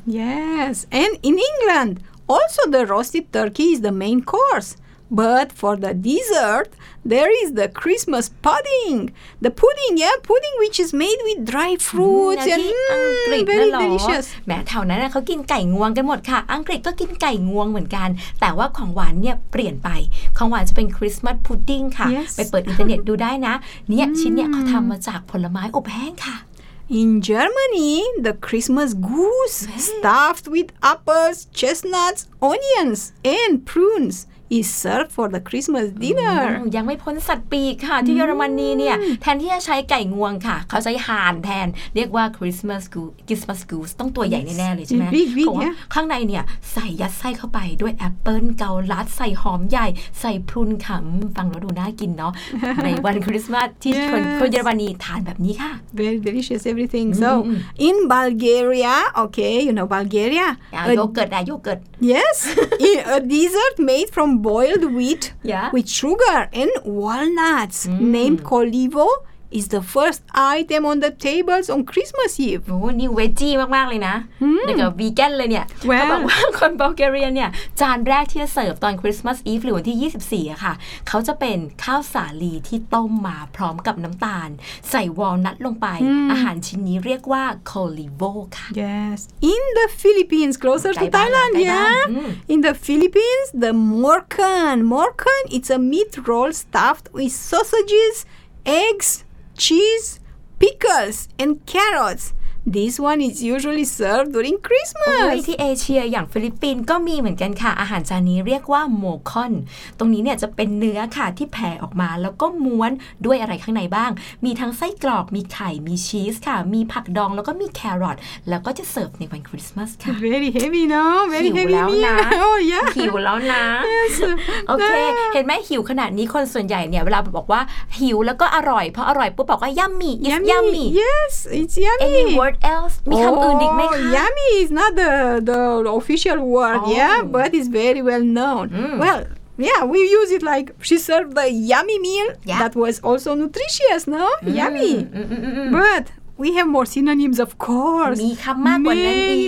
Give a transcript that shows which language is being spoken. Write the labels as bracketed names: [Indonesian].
[English] Yes, and in England, also the roasted turkey is the main course. But for the dessert, there is the Christmas pudding. The pudding, yeah, pudding which is made with dry fruits and very delicious. [Thai] แม้แถวนั้นเขากินไก่งวงกันหมดค่ะอังกฤษก็กินไก่งวงเหมือนกันแต่ว่าของหวานเนี่ยเปลี่ยนไปของหวานจะเป็น Christmas pudding ค่ะ [English] yes. [Thai] ไปเปิดอินเทอร์เน็ตดูได้นะเนี่ยชิ้นเนี่ยเขาทำมาจากผลไม้อบแห้งค่ะ [English] In Germany, the Christmas goose stuffed with apples, chestnuts, onions, and prunes is served for the Christmas dinner. [Thai] ยังไม่พ้นสัตว์ปีกค่ะที่เยอรมนีเนี่ยแทนที่จะใช้ไก่งวงค่ะเขาใช้ห่านแทนเรียกว่า Christmas goose ต้องตัวใหญ่แน่ๆเลยใช่ไหมข้างในเนี่ยใส่ยัดไส้เข้าไปด้วยแอปเปิลเกาลัดใส่หอมใหญ่ใส่พรุนขำฟังแล้วดูน่ากินเนาะในวันคริสต์มาสที่คนเยอรมนีทานแบบนี้ค่ะ [English] Very deliciousEverything. So, in Bulgaria, okay, you know Bulgaria. Yogurt. Yes, a dessert made from boiled wheat with sugar and walnuts named Kolivo. Is the first item on the tables on Christmas Eve. [Thai] โอ้นี่เวจี้มากมากเลยนะเด็กกับวีแกนเลยเนี่ยเขาบอกว่าคนบัลแกเรียเนี่ยจานแรกที่จะเสิร์ฟตอน Christmas Eve หรือวันที่24อะค่ะเขาจะเป็นข้าวสาลีที่ต้มมาพร้อมกับน้ำตาลใส่วอลนัทลงไปอาหารชิ้นนี้เรียกว่าโคลิโบค่ะ [English] Yes. In the Philippines, closer to Thailand, In the Philippines, the morkan it's a meat roll stuffed with sausages, eggs.Cheese, pickles, and carrots. This one is usually served during Christmas. [Thai] ในที่เอเชียอย่างฟิลิปปินส์ก็มีเหมือนกันค่ะอาหารจานนี้เรียกว่าโมคอนตรงนี้เนี่ยจะเป็นเนื้อค่ะที่แผ่ออกมาแล้วก็ม้วนด้วยอะไรข้างในบ้างมีทั้งไส้กรอกมีไข่มีชีสค่ะมีผักดองแล้วก็มีแครอทแล้วก็จะเสิร์ฟในวันคริสต์มาสค่ะ [English] Very heavy no Very heavy meal [Thai] หิวแล้วนะ [English] oh, yeah. [Thai] หิวแล้วนะ [English] yes. [Thai] โอเคเห็นไหมหิวขนาดนี้คนส่วนใหญ่เนี่ยเวลาบอกว่าหิวแล้วก็อร่อยเพราะอร่อยปุ๊บบอกว่า [English] yummy it's yummy yes it's yummy any word else [Thai] มีคำอื่นอีกไหมคะ [English] yummy is not the official word oh. yeah but it's very well known mm. well yeah we use it like she served the yummy meal yeah. that was also nutritious no mm. yummy Mm-mm-mm-mm. but we have more synonyms of course [Thai] มีคำมากกว่านั้นอีก